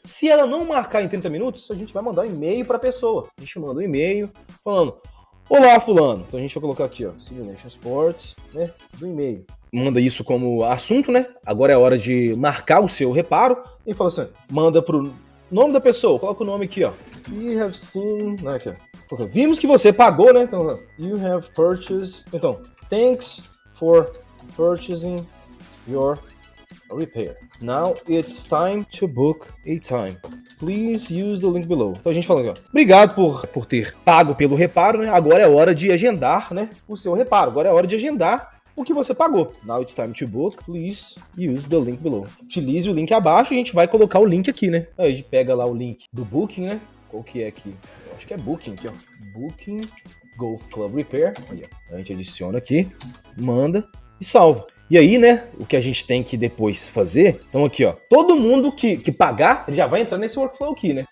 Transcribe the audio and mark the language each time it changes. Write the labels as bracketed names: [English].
[Portuguese] Se ela não marcar em 30 minutos, a gente vai mandar um e-mail pra pessoa. A gente manda um e-mail falando, olá, fulano. Então a gente vai colocar aqui, ó, Simulation Sports, né, do e-mail. Manda isso como assunto, né? Agora é hora de marcar o seu reparo. E fala assim, manda pro nome da pessoa. Coloca o nome aqui, ó. [English] You have seen... [Portuguese] Não, aqui, ó. Vimos que você pagou, né? [English] Então, you have purchased... Então, thanks for purchasing your repair. Now it's time to book a time. Please use the link below. [Portuguese] Então a gente fala aqui, ó. Obrigado por ter pago pelo reparo, né? Agora é hora de agendar, né, o seu reparo. Agora é hora de agendar o que você pagou. [English] Now it's time to book, please use the link below. [Portuguese] Utilize o link abaixo e a gente vai colocar o link aqui, né? Aí a gente pega lá o link do booking, né? Qual que é aqui? Eu acho que é booking aqui, ó. Booking Golf Club Repair. Aí, ó. A gente adiciona aqui, manda e salva. E aí, né, o que a gente tem que depois fazer, então aqui, ó, todo mundo que pagar, ele já vai entrar nesse workflow aqui, né?